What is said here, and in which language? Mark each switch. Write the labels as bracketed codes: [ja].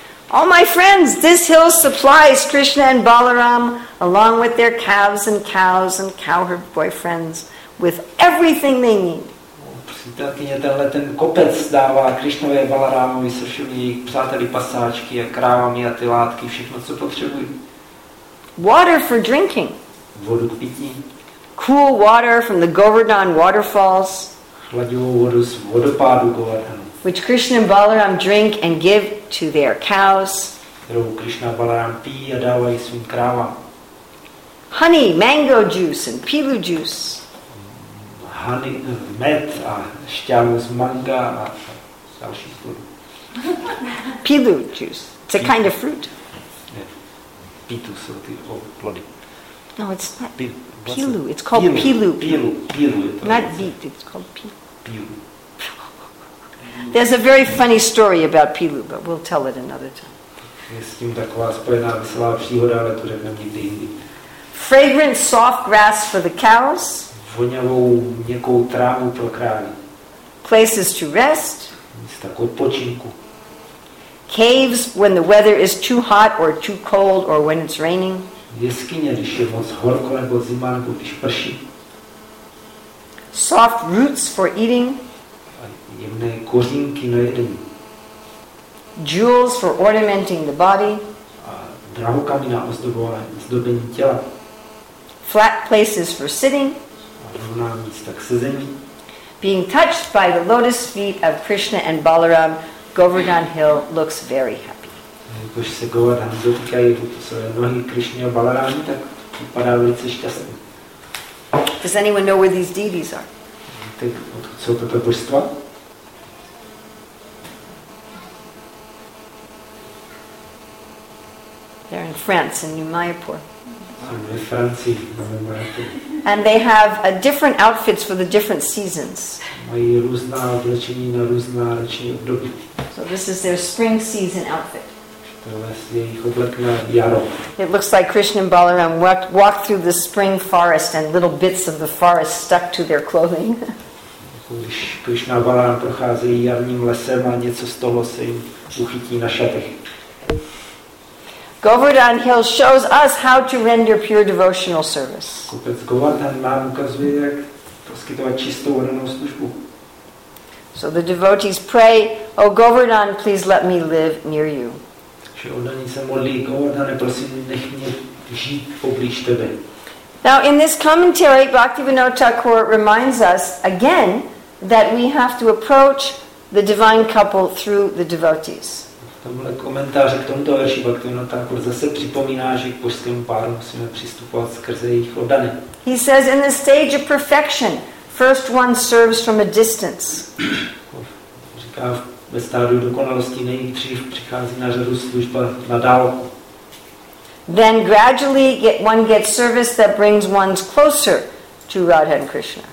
[en] All my friends, this hill supplies Krishna and Balaram along with their calves and cows and cowherd boyfriends with everything they need. [cs] Přítelkyně, tenhle ten kopec dává Krishnovi a Balarámovi se všemi jejich přáteli pasáčky a krávami a ty látky, všechno, co potřebují. [en] Water for drinking. [cs] Vodu k pití. [en] Cool water from the Govardhan waterfalls. [cs] Chladivou vodu z vodopádu Govardhan. [en] Which Krishna and Balaram drink and give to their cows. [cs] Kterou Krishna a Balaram pí a dávají svým krávám. [en] Honey, mango juice and pilu juice. Honey, [cs] med a šťávu z manga a další [en] fruit. Pilu juice. It's a pitu. Kind of fruit. [cs] Pitu jsou ty plody. [en] No, it's not. Pilu. It's called pilu. [cs] Pilu. Pilu. [en] Not beet. It's called pilu. [cs] Pilu. [en] There's a very funny story about Pilu, but we'll tell it another time. Fragrant soft grass for the cows. [cs] Voňavou měkkou trávu pro krávy. [en] Places to rest. [cs] Místa k odpočinku. [en] Caves when the weather is too hot or too cold or when it's raining. [cs] Jeskyně, když je moc horko nebo zima nebo když prší. [en] soft roots for eating, [cs] jemné kořínky na jedení, [en] jewels for ornamenting the body, [cs] a drahokamy na ozdobení těla, [en] flat places for sitting, [cs] a rovná místa k sezení, [en] being touched by the lotus feet of Krishna and Balaram, Govardhan Hill looks very happy. [cs] Když se Govardhan dotýká své nohy Krishna a Balarama, tak vypadá velice šťastný. [en] Does anyone know where these deities are? [cs] Odkud jsou toto božstva? [en] They're in France, in New Mayapur. [cs] Francii, [en] and they have a different outfits for the different seasons. [cs] Mají různá oblečení na různá roční období. [en] So this is their spring season outfit. [cs] Tohle je jejich oblek na jaro. [en] It looks like Krishna and Balaram walked through the spring forest and little bits of the forest stuck to their clothing. [cs] Když Krishna a Balaram procházejí jarním lesem a něco z toho se jim uchytí na šatech. [en] Govardhan Hill shows us how to render pure devotional service. [cs] Kupec Govardhan nám ukazuje, jak poskytovat čistou oddanou službu. [en] So the devotees pray, O Govardhan, please let me live near you. [cs] Že oddaní se modlí, Govardhane, prosím, nech mě žít poblíž tebe. [en] Now in this commentary, Bhaktivinoda Thakur reminds us again that we have to approach the divine couple through the devotees. [cs] Tomhle komentáře k tomuto verši Bhaktivinoda Thakur zase připomíná, že k božskému páru musíme přistupovat skrze jejich oddany. [en] He says in the stage of perfection, first one serves from a distance. [cs] Říká, ve stádiu dokonalosti nejdřív přichází na řadu služba na dálku. [en] Then gradually one gets service that brings one closer to Radha and Krishna.